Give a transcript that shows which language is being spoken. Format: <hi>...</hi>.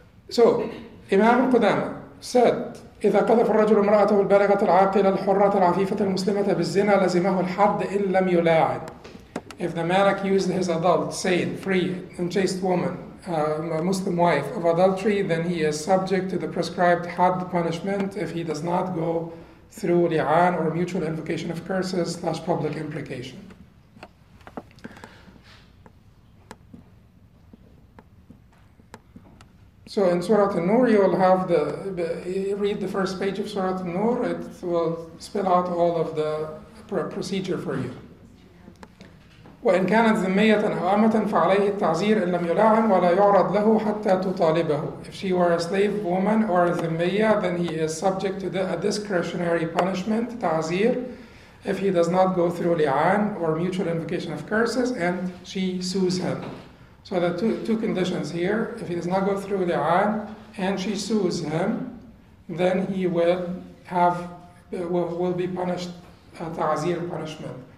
<en>So, Imam Qudama said,</en> <ar>إذا قذف الرجل امرأته البالغة العاقلة الحرة العفيفة المسلمة بالزنا لزمه الحد إن لم يلاعن.</ar> <en>If the man accused his adult, sane, free, unchaste woman, a Muslim wife, of adultery, then he is subject to the prescribed had punishment if he does not go through li'an or mutual invocation of curses / public imprecation. So in Surah An-Nur, you will have the, read the first page of Surah An-Nur, it will spell out all of the procedure for you.</en> <ar>وإن كانت ذمية أو أمة فعليه التعزير إن لم يلاعن ولا يعرض له حتى تطالبه.</ar> <en>If she were a slave woman or a ذميّة, then he is subject to a discretionary punishment, تعزير, if he does not go through لعان or mutual invocation of curses and she sues him. So the two conditions here, if he does not go through لعان and she sues him, then he will be punished a تعزير punishment.</en>